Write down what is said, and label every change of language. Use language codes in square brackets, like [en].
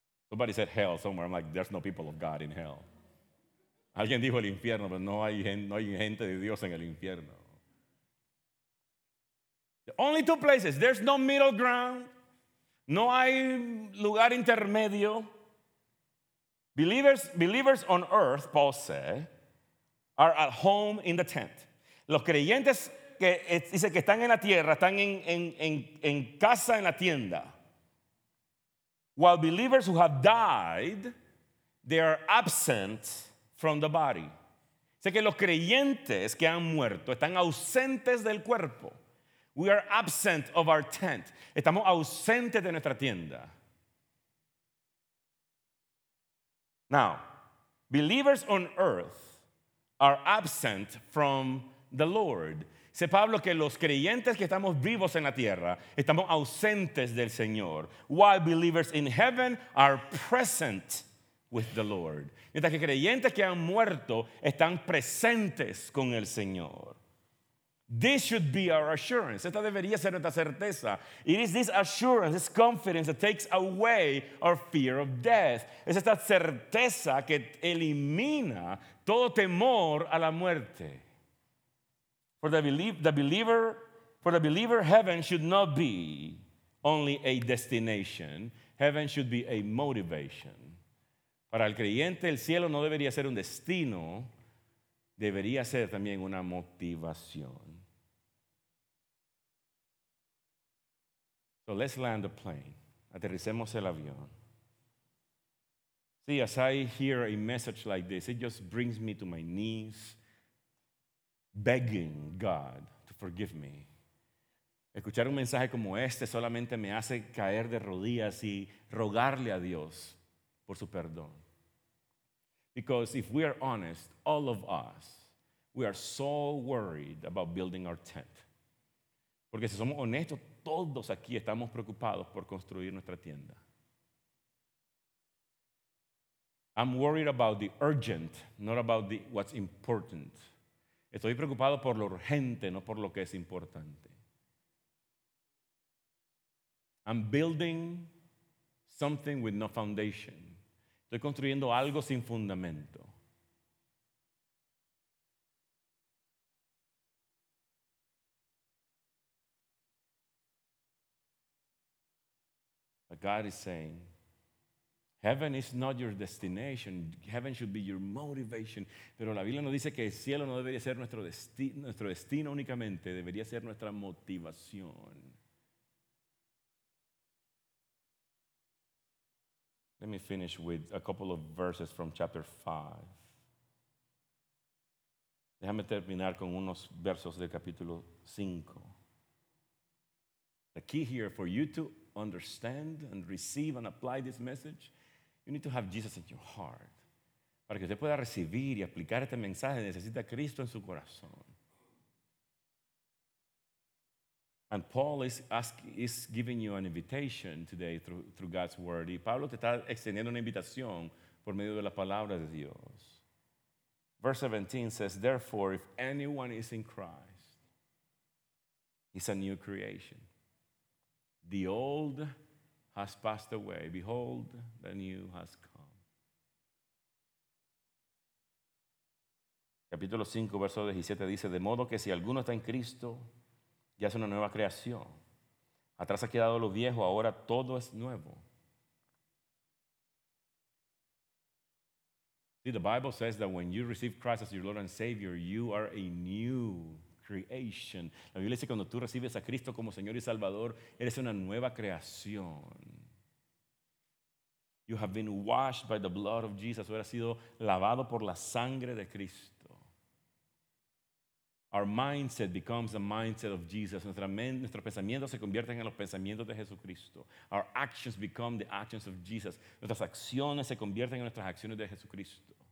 [en] Somebody said hell somewhere. I'm like, there's no people of God in hell. [es] Alguien dijo el infierno, pero no hay gente de Dios en el infierno. [en] The only two places. There's no middle ground. [es] No hay lugar intermedio. [en] Believers on earth, Paul said, are at home in the tent. [es] Los creyentes que dice que están en la tierra, están en casa, en la tienda. [en] While believers who have died, they are absent from the body. [es] Sé que los creyentes que han muerto están ausentes del cuerpo. [en] We are absent of our tent. [es] Estamos ausentes de nuestra tienda. [en] Now, believers on earth are absent from the Lord. [es] Dice Pablo que los creyentes que estamos vivos en la tierra estamos ausentes del Señor. [en] While believers in heaven are present with the Lord. [es] Mientras que creyentes que han muerto están presentes con el Señor. [en] This should be our assurance. [es] Esta debería ser nuestra certeza. [en] It is this assurance, this confidence that takes away our fear of death. [es] Es esta certeza que elimina todo temor a la muerte. [en] For the believer, heaven should not be only a destination. Heaven should be a motivation. [es] Para el creyente, el cielo no debería ser un destino. Debería ser también una motivación. [en] So let's land the plane. [es] Aterricemos el avión. [en] See, as I hear a message like this, it just brings me to my knees, begging God to forgive me. [es] Escuchar un mensaje como este solamente me hace caer de rodillas y rogarle a Dios por su perdón. [en] Because if we are honest, all of us, we are so worried about building our tent. [es] Porque si somos honestos, todos aquí estamos preocupados por construir nuestra tienda. [en] I'm worried about the urgent, not about what's important. [es] Estoy preocupado por lo urgente, no por lo que es importante. [en] I'm building something with no foundation. [es] Estoy construyendo algo sin fundamento. [en] God is saying, heaven is not your destination. Heaven should be your motivation. [es] Pero la Biblia nos dice que el cielo no debería ser nuestro destino únicamente. Debería ser nuestra motivación. [en] Let me finish with a couple of verses from chapter 5. [es] Déjame terminar con unos versos del capítulo 5. [en] The key here for you to understand and receive and apply this message, you need to have Jesus in your heart. [es] Para que usted pueda recibir y aplicar este mensaje, necesita Cristo en su corazón. [en] And Paul is giving you an invitation today through God's word. [es] Y Pablo te está extendiendo una invitación por medio de la palabra de Dios. [en] Verse 17 says, therefore, if anyone is in Christ, he's a new creation. The old has passed away. Behold, the new has come. [es] Capítulo 5, verso 17 dice, de modo que si alguno está en Cristo, ya es una nueva creación. Atrás ha quedado lo viejo, ahora todo es nuevo. [en] See, the Bible says that when you receive Christ as your Lord and Savior, you are a new creation. [es] La Biblia dice que cuando tú recibes a Cristo como Señor y Salvador, eres una nueva creación. [en] You have been washed by the blood of Jesus. [es] Has sido lavado por la sangre de Cristo. [en] Our mindset becomes the mindset of Jesus. [es] Nuestros pensamientos se convierten en los pensamientos de Jesucristo. [en] Our actions become the actions of Jesus. [es] Nuestras acciones se convierten en nuestras acciones de Jesucristo.